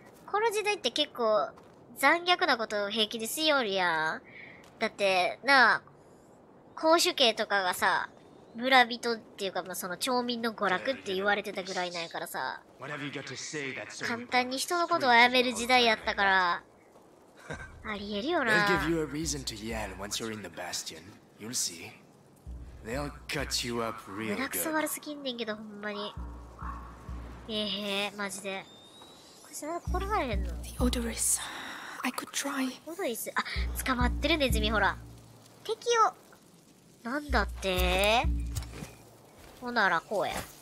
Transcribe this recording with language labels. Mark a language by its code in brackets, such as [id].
[ja] この時代って結構残虐なことを平気でしよるやん。だって、なあ、公主刑とかがさ、村人っていうか、まあ、その町民の娯楽って言われてたぐらいなんやからさ、簡単に人のことをやめる時代やったから、ありえるよな。 [en] They'll give you a reason to yell once you're in the bastion. You'll see. They'll cut you up real good. [ja] 胸くそ悪すぎんねんけど、ほんまに。へえ、マジで。これ、なんか殺されへんの? [en] The Odorous. I could try. [ja] オドリス。あ、捕まってるネズミ、ほら。敵を。なんだって?ほなら、こうや。